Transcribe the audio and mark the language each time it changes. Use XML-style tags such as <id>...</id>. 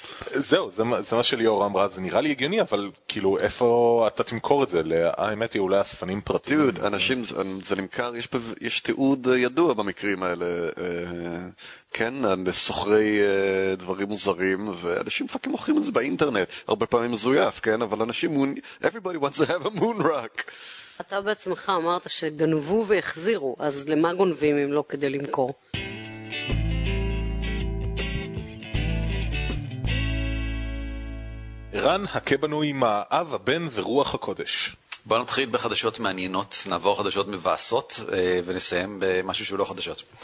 <he>זהו, זה מה שליאור אמרה, זה נראה לי הגיוני, אבל כאילו, איפה אתה תמכור את זה? האמת היא אולי אספנים פרטיים. דוד, אנשים, זה נמכר, יש תיעוד ידוע במקרים האלה. כן, סוחרי דברים מוזרים, ואנשים פאקים מוכרים את זה באינטרנט. הרבה פעמים מזויף, כן? אבל אנשים,</he> <en>everybody wants to have a moon rock.</en> <he>אתה בעצמך אמרת שגנבו והחזירו, אז למה גונבים אם לא כדי למכור? רן, הכה בנו עם האב, הבן ורוח הקודש. בוא נתחיל בחדשות מעניינות, נעבור חדשות מבאסות, ונסיים במשהו שהוא לא חדשות.</he>